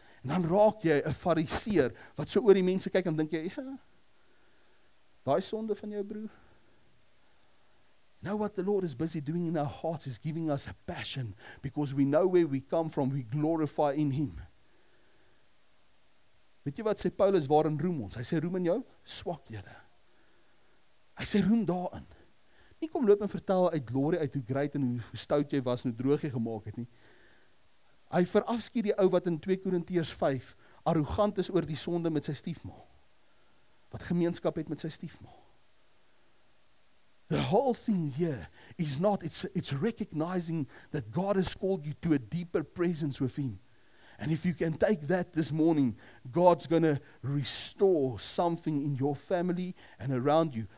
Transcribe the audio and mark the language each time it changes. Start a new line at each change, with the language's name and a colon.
Afrikaans: En dan raak jy 'n fariseer wat so oor die mense kyk en dink jy, ja, daai sonde van jou broer.
English: You know what the Lord is busy doing in our hearts is giving us a passion, because we know where we come from, we glorify in Him.
Afrikaans: Weet jy wat sê Paulus, waarin roem ons? Hy sê, roem in jou swakhede. Hy sê, roem daarin. Nie kom loop en vertel uit glorie uit hoe great en hoe stout jy was en hoe droog jy gemaak het nie. Hy verafskiet die ou wat in 2 Korintiërs 5 arrogant is oor die sonde met sy stiefma. Wat gemeenskap het met sy stiefma.
English: The whole thing here is not, it's recognizing that God has called you to a deeper presence with Him. And if you can take that this morning, God's going to restore something in your family and around you.